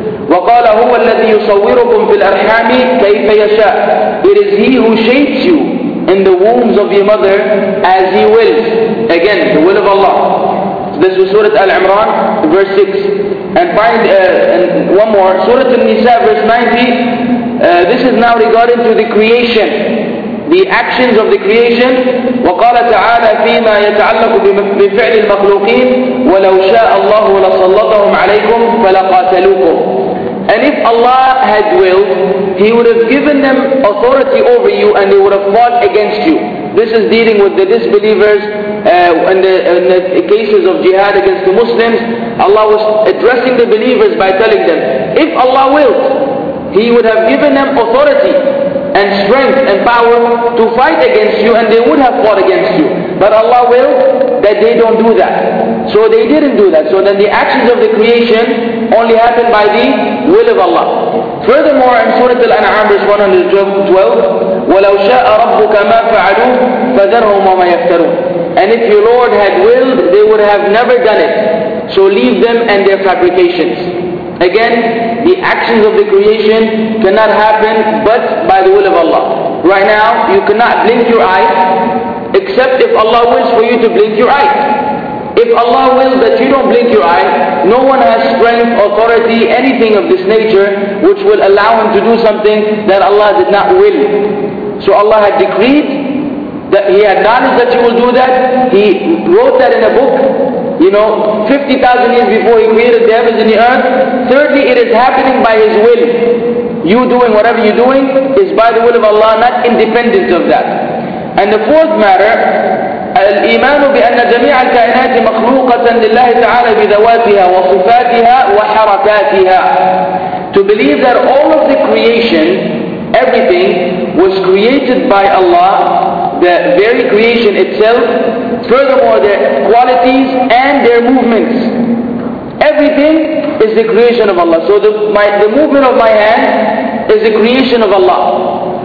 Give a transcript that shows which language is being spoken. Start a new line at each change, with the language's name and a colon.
Arabic: وقال هو الذي يصوركم في الأرحام كيف يشاء,
English: it is He who shapes you in the wombs of your mother as He wills. Again, the will of Allah. This was Surah Al-Imran verse 6. And find and one more, Surah An-Nisa verse 90. This is now regarding to the creation, the actions of the creation.
Arabic: وقال تعالى فيما يتعلق بفعل المخلوقين ولو شاء الله لسلطهم عليكم فلقاتلوكم.
English: And if Allah had willed, He would have given them authority over you and they would have fought against you. This is dealing with the disbelievers and the cases of jihad against the Muslims. Allah was addressing the believers by telling them, if Allah willed, He would have given them authority and strength and power to fight against you, and they would have fought against you. But Allah will that they don't do that. So they didn't do that. So then the actions of the creation only happen by the will of Allah. Furthermore, in Surah Al-An'am verse 112,
Arabic: وَلَوْ شَاءَ رَبُّكَ مَا فَعَلُوا فَذَرْهُمْ وَمَا يَفْتَرُونَ.
English: And if your Lord had willed, they would have never done it. So leave them and their fabrications. Again, the actions of the creation cannot happen but by the will of Allah. Right now, you cannot blink your eye except if Allah wills for you to blink your eye. If Allah wills that you don't blink your eye, no one has strength, authority, anything of this nature which will allow him to do something that Allah did not will. So Allah had decreed that He had knowledge that you will do that. He wrote that in a book. You know, 50,000 years before He created the heavens and the earth. Thirdly, it is happening by His will. You doing whatever you're doing is by the will of Allah, not independent of that. And the fourth matter,
Arabic: الإيمان بأن جميع الكائنات مخلوقة لله تعالى بذواتها وصفاتها وحركاتها.
English: To believe that all of the creation, everything was created by Allah, the very creation itself, furthermore their qualities and their movements. Everything is the creation of Allah. So the movement of my hand is the creation of Allah.